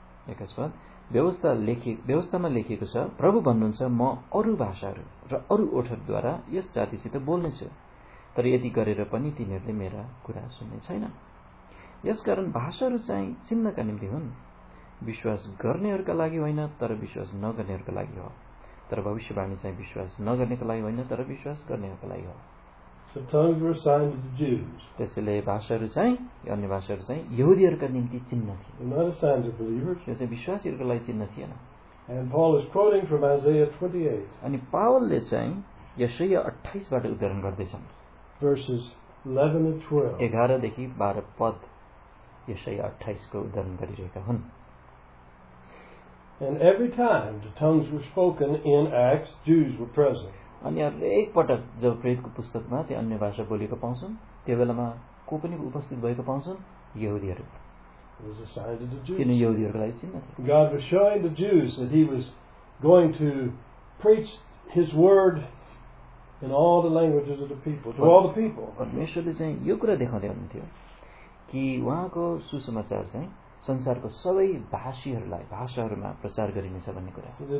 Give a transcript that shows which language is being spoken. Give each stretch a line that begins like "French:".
Nepali: एकस्मात् व्यवस्थामा लेखिएको छ, प्रभु भन्नुहुन्छ, म अरू भाषाहरू र अरू ओठहरूद्वारा यस जातिसित बोल्नेछु, तर यति गरेर पनि तिनीहरूले मेरा कुरा सुन्ने छैन. यसकारण भाषाहरू चाहिँ चिन्हका निम्ति हुन्, विश्वास गर्नेहरूका लागि होइन तर विश्वास नगर्नेहरूका लागि हो, तर भविष्यवाणी चाहिँ विश्वास नगर्नेको लागि होइन तर विश्वास गर्नेहरूका लागि हो.
English: So tongues were signs of the Jews.
Nepali: त्यसैले भाषाहरू चाहिँ अन्य भाषाहरू चाहिँ यहुदीहरूका निम्ति चिन्ह थियो.
English: Not a sign of believers.
Nepali: त्यसैले विश्वासीहरूको लागि चिन्ह थिएन.
English: And Paul is quoting from Isaiah 28.
Nepali: अनि पावलले चाहिँ यशाया 28 बाट उद्धरण गर्दैछन्.
English: Verses 11 and 12.
Nepali: 11 देखि 12 पद यशाया 28 को उद्धरण गरिरहेका हुन्.
English: And every time the tongues were spoken in Acts, Jews were present.
Nepali: अनि हरेक पटक जब प्रेरितको पुस्तकमा त्यो अन्य भाषा बोलेको पाउँछन् त्यो बेलामा को पनि उपस्थित भएको पाउँछन्? यहुदीहरू. किनभने यहुदीहरूको लागि चिन्ह थियो.
English: God was showing the Jews that he was going to preach his word in all the languages of the people, to all the people.
Nepali: परमेश्वरले चाहिँ यो कुरा देखाउँदै हुनुहुन्थ्यो कि उहाँको सुसमाचार चाहिँ संसारको सबै भाषीहरूलाई भाषाहरूमा प्रचार गरिनेछ भन्ने कुरा.